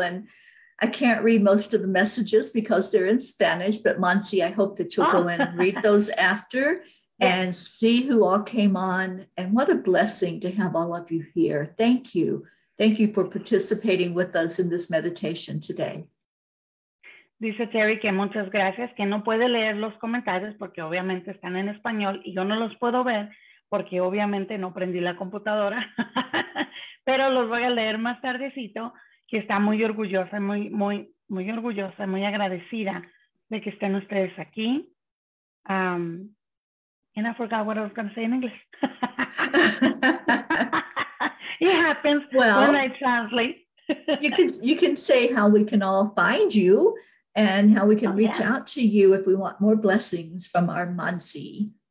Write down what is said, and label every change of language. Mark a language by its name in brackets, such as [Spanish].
[English] And I can't read most of the messages because they're in Spanish. But Monsi, I hope that you'll go in and read those after and see who all came on. And what a blessing to have all of you here. Thank you. Thank you for participating with us in this meditation today. [Spanish] Dice Terry que muchas gracias, que no puede leer los comentarios porque obviamente están en español y yo no los puedo ver porque obviamente no prendí la computadora, pero los voy a leer más tardecito, que está muy orgullosa, muy, muy, muy orgullosa, muy agradecida de que estén ustedes aquí. [English] And I forgot what I was going to say in English. It happens when I translate. you can say how we can all find you and how we can reach out to you if we want more blessings from our Monsi.